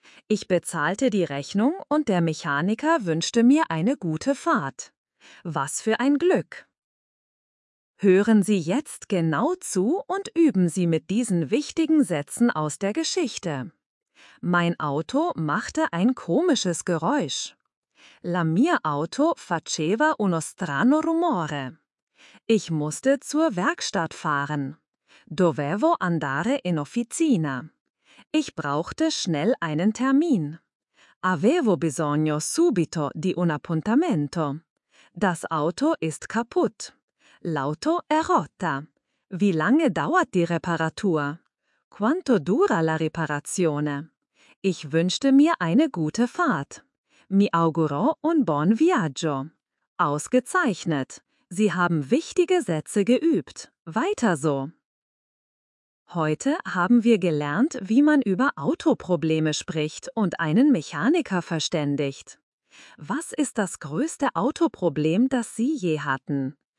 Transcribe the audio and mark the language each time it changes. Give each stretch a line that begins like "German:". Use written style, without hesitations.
German: Ich bezahlte die Rechnung und der Mechaniker wünschte mir eine gute Fahrt. Was für ein Glück! Hören Sie jetzt genau zu und üben Sie mit diesen wichtigen Sätzen aus der Geschichte. Mein Auto machte ein komisches Geräusch.
Italian: La mia auto faceva uno strano rumore.
German: Ich musste zur Werkstatt fahren.
Italian: Dovevo andare in officina.
German: Ich brauchte schnell einen Termin.
Italian: Avevo bisogno subito di un appuntamento.
German: Das Auto ist kaputt.
Italian: L'auto è rotta.
German: Wie lange dauert die Reparatur?
Italian: Quanto dura la riparazione?
German: Ich wünschte mir eine gute Fahrt.
Italian: Mi auguro un buon viaggio.
German: Ausgezeichnet. Sie haben wichtige Sätze geübt. Weiter so. Heute haben wir gelernt, wie man über Autoprobleme spricht und einen Mechaniker verständigt. Was ist das größte Autoproblem, das Sie je hatten?